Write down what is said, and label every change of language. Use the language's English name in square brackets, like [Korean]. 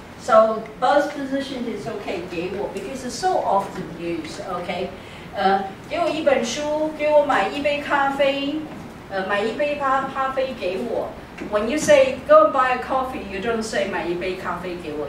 [English] So both positions is okay, [Chinese] 给我, [English] because it's so often used, okay? [Chinese] 给我一本书, 给我买一杯咖啡, 买一杯咖啡给我. [English] When you say, go buy a coffee, you don't say, [Chinese] 买一杯咖啡给我.